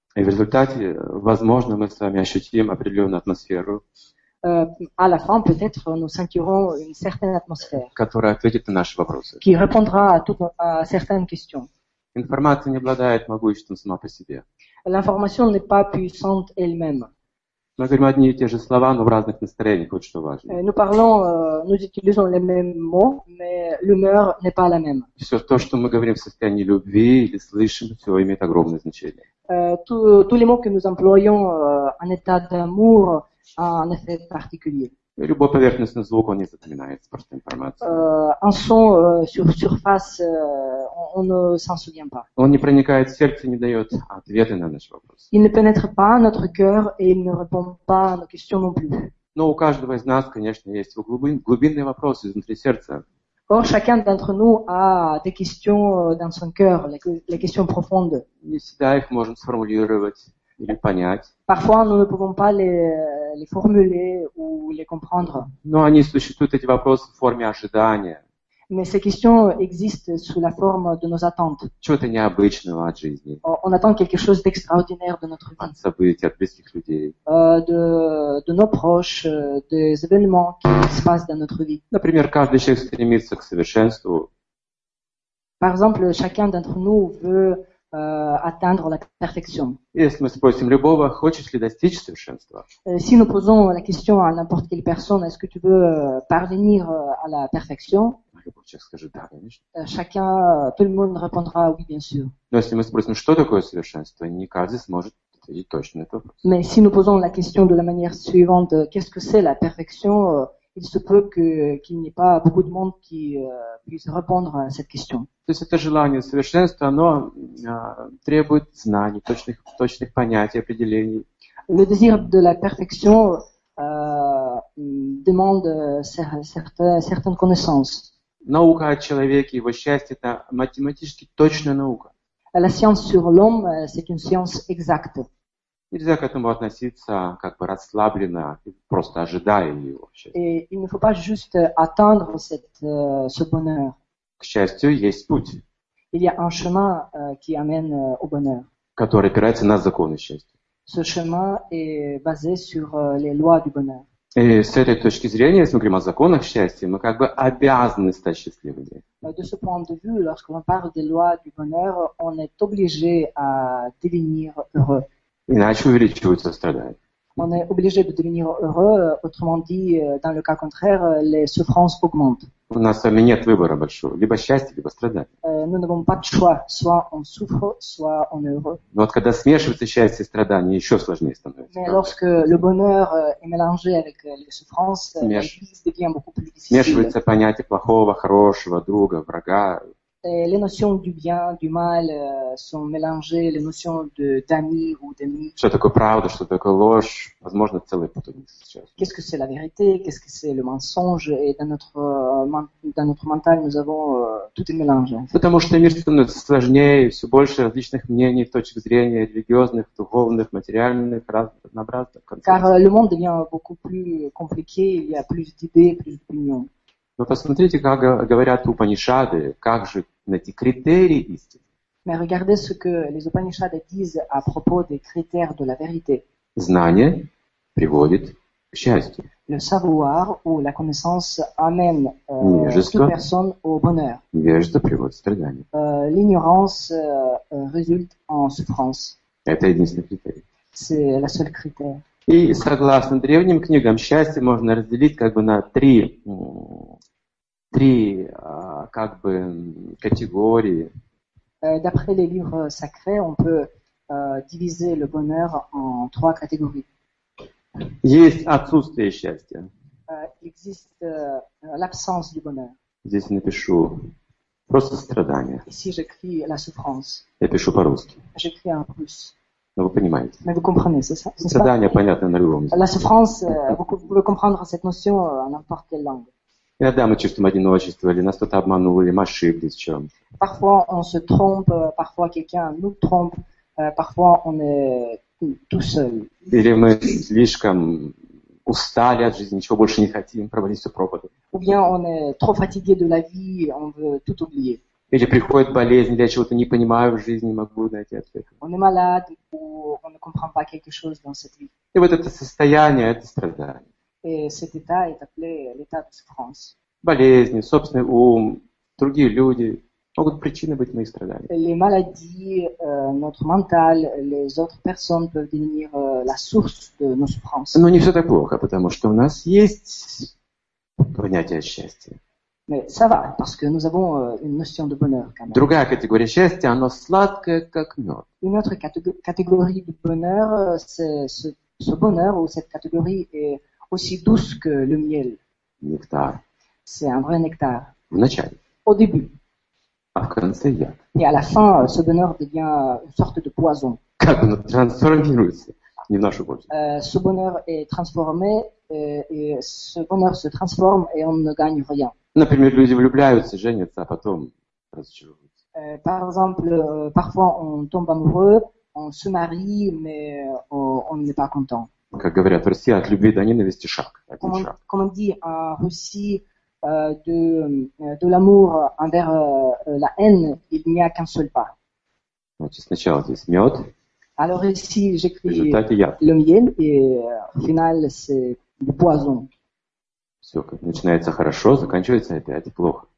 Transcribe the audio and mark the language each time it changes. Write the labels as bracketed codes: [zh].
[ru] И в результате, возможно, мы с вами ощутим определенную атмосферу. [fr] À la fin, peut-être, nous sentirons une certaine atmosphère. [ru] Которая ответит на наши вопросы. [fr] Qui répondra à toutes certaines questions. [ru] Информация не обладает могуществом сама по себе. [fr] L'information n'est pas puissante elle-même. [ru] Мы говорим одни и те же слова, но в разных настроениях, вот что важно. [fr] Nous parlons, nous utilisons les mêmes mots, mais l'humeur n'est pas la même. [ru] Все то, что мы говорим в состоянии любви или слышим, все имеет огромное значение. [fr] Tous les mots que nous employons en état d'amour ont un effet particulier. [ru] Любой поверхностный звук, он не запоминает просто информацию. [fr] Un son sur surface, on ne s'en souvient pas. [ru] Он не проникает в сердце, не дает ответы на наши вопросы. [fr] Il ne pénètre pas notre cœur et il ne répond pas à nos questions non plus. [ru] Но у каждого из нас, конечно, есть глубинные вопросы внутри сердца. [fr] Or, chacun d'entre nous a des questions dans son cœur, les questions profondes. [ru] Не всегда их можем сформулировать. Или понять. [fr] Parfois, nous ne pouvons pas les formuler ou les comprendre. [ru] Но они существуют, эти вопросы, в форме ожидания. [fr] Mais ces questions existent sous la forme de nos attentes. [ru] Чего-то необычного от жизни. [fr] On attend quelque chose d'extraordinaire de notre vie. [ru] От событий, от близких людей. [fr] De nos proches, des événements qui se passent dans notre vie. [ru] Например, каждый человек стремится к совершенству. [fr] Par exemple, chacun d'entre nous veut atteindre la perfection. [ru] Если мы спросим любого, хочешь ли достичь совершенства? [fr] Si nous posons la question à n'importe quelle personne, est-ce que tu veux parvenir à la perfection? [ru] Любой человек скажет да, конечно. [fr] Chacun, tout le monde répondra oui, bien sûr. [ru] Но если мы спросим, что такое совершенство, не каждый сможет ответить точно на этот вопрос. [fr] Mais si nous posons la question de la manière suivante, qu'est-ce que c'est la perfection? Il se peut qu'il n'y ait pas beaucoup de monde qui puisse répondre à cette question. [ru] То есть это желание совершенства, оно требует знаний, точных понятий, определений. [fr] Le désir de la perfection demande certaines connaissances. [ru] Наука о человеке, его счастье – это математически точная наука. [fr] La science sur l'homme, c'est une science exacte. [ru] Нельзя к этому относиться как бы расслабленно, просто ожидая его. [fr] Il ne faut pas juste attendre ce bonheur. [ru] К счастью, есть путь. [fr] Il y a un chemin qui amène au bonheur. [ru] Который опирается на законы счастья. [fr] Ce chemin est basé sur les lois du bonheur. [ru] И с этой точки зрения, если мы говорим о законах счастья, мы как бы обязаны стать счастливыми. [fr] De ce point de vue, lorsqu'on parle des lois du bonheur, on est obligé à devenir heureux. [ru] Иначе увеличиваются страдания. [fr] On est obligé de devenir heureux, autrement dit, dans le cas contraire, les souffrances augmentent. [ru] У нас с вами нет выбора большого. Либо счастье, либо страдание. [fr] Nous n'avons pas de choix. Soit on souffre, soit on est heureux. [ru] Но вот когда смешивается счастье и страдания, еще сложнее становится. [fr] Mais lorsque le bonheur est mélangé avec les souffrances, la vie devient beaucoup plus difficile. [ru] Смешивается понятие плохого, хорошего, друга, врага. [fr] Les notions du bien, du mal sont mélangées, les notions d'amis ou d'ennemis. [ru] Что такое правда, что такое ложь, возможно, целый путаник сейчас. [fr] Qu'est-ce que c'est la vérité, qu'est-ce que c'est le mensonge, et dans notre mental, nous avons tout est mélangé. [ru] Потому что мир становится сложнее, все больше различных мнений, точек зрения, религиозных, духовных, материальных, разнообразных. [fr] Car le monde devient beaucoup plus compliqué, il y a plus d'idées, plus d'opinions. [ru] Но посмотрите, как говорят Упанишады, как же найти критерии истины. [fr] Mais regardez ce que les Upanishads disent à propos des critères de la vérité. [ru] Знание приводит к счастью. [fr] Le savoir ou la connaissance amène toute personne au bonheur. [ru] Невежество приводит к страданию. [fr] L'ignorance résulte en souffrance. [ru] Это единственный критерий. [fr] C'est la seule critère. [ru] И согласно древним книгам, счастье можно разделить как бы на три как бы категории. [fr] D'après les livres sacrés, on peut diviser le bonheur en trois catégories. [ru] Есть отсутствие счастья. [fr] Existe l'absence du bonheur. [ru] Здесь напишу просто страдания. [fr] Ici j'écris la souffrance. [ru] Я пишу по-русски. [fr] J'écris en russe. [ru] Но вы понимаете. [fr] Mais vous comprenez, c'est ça, c'est [ru] страдание [fr] pas? [ru] Понятно на любом языке. [fr] La souffrance, vous pouvez comprendre cette notion en n'importe quelle langue. [ru] Иногда мы чувствуем одиночество, или нас кто-то обманул, или мы ошиблись в чем-то. [fr] Parfois on se trompe, parfois quelqu'un nous trompe, parfois on est tout seul. [ru] Или мы слишком устали от жизни, ничего больше не хотим, проводить всю пропаду. [fr] Ou bien on est trop fatigué de la vie, on veut tout oublier. [ru] Или приходит болезнь, или я чего-то не понимаю в жизни, не могу найти ответ. [fr] On est malade, ou on ne comprend pas quelque chose dans cette vie. [ru] И вот это состояние, это страдание. [fr] Et cet état est appelé l'état de souffrance. [ru] Болезни, собственный ум, другие люди могут причиной быть моих страданий. [fr] Les maladies, notre mental, les autres personnes peuvent devenir la source de nos souffrances. [ru] Но не все так плохо, потому что у нас есть понятие счастья. [fr] Mais ça va, parce que nous avons une notion de bonheur quand même. [ru] Другая категория счастья, оно сладкое, как мед. [fr] Une autre catégorie de bonheur, c'est ce bonheur ou cette catégorie est aussi douce que le miel. Nectar. C'est un vrai nectar. [ru] В начале. [fr] Au début. [ru] А в конце яд. [fr] Et à la fin, ce bonheur devient une sorte de poison. [ru] Как оно трансформируется, не в нашу пользу. [fr] Ce bonheur est transformé, et ce bonheur se transforme et on ne gagne rien. [ru] Например, люди влюбляются, женятся, а потом разочаровываются. [fr] Par exemple, parfois on tombe amoureux, on se marie, mais on n'est pas content. [ru] Как говорят в России, от любви до ненависти шаг. [fr] Comme on dit en Russie, de l'amour envers la haine, il n'y a qu'un seul pas. [ru] Значит, сначала здесь мед. [fr] Alors ici, j'écris le miel, et au final, c'est le poison. [ru] Все, как начинается хорошо, заканчивается опять плохо.